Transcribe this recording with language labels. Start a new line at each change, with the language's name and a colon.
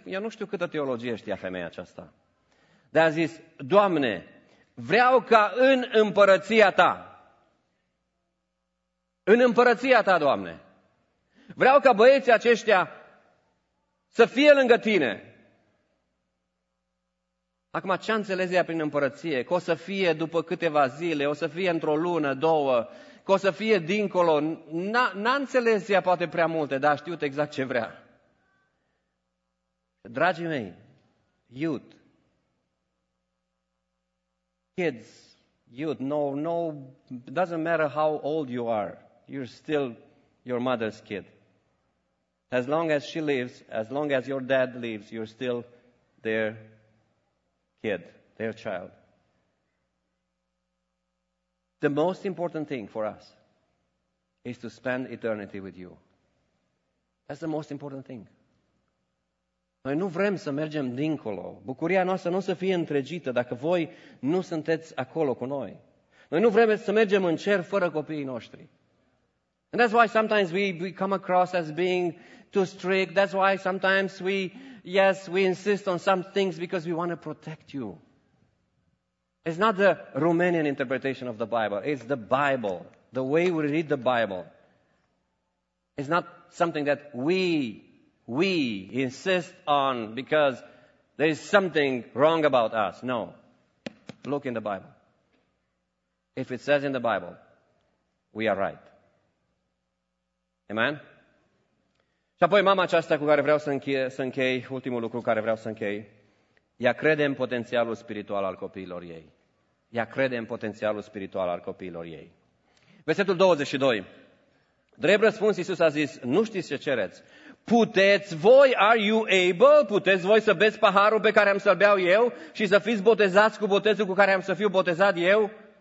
Romanian: Eu nu știu câtă teologie știa femeia aceasta. Dar a zis, Doamne, vreau ca în împărăția Ta, în împărăția Ta, Doamne, vreau ca băieții aceștia să fie lângă Tine. Acum, ce înțeles ea prin împărăție? Că o să fie după câteva zile, o să fie într-o lună, două, că o să fie dincolo. N-a înțeles ea poate prea multe, dar a știut exact ce vrea. Dragii mei,
English: youth, kids, youth, no, doesn't matter how old you are, you're still your mother's kid. As long as she lives, as long as your dad lives, you're still there. Kid, their child. The most important thing for us is to spend eternity with you. That's the most important thing.
Romanian: Noi nu vrem să mergem dincolo. Bucuria noastră nu o să fie întregită dacă voi nu sunteți acolo cu noi. Noi nu vrem să mergem în cer fără copiii noștri.
English: And that's why sometimes we come across as being too strict. That's why sometimes we insist on some things because we want to protect you. It's not the Romanian interpretation of the Bible. It's the Bible. The way we read the Bible. It's not something that we insist on because there is something wrong about us. No. Look in the Bible. If it says in the Bible, we are right. Amen?
Romanian: Și apoi mama aceasta cu care vreau să închei, ultimul lucru cu care vreau să închei, ea crede în potențialul spiritual al copiilor ei. Ea crede în potențialul spiritual al copiilor ei. Versetul 22. Drept răspuns, Iisus a zis, nu știți ce cereți. Puteți voi,
English: are you able,
Romanian: puteți voi să beți paharul pe care am să-l beau eu și să fiți botezați cu botezul cu care am să fiu botezat eu?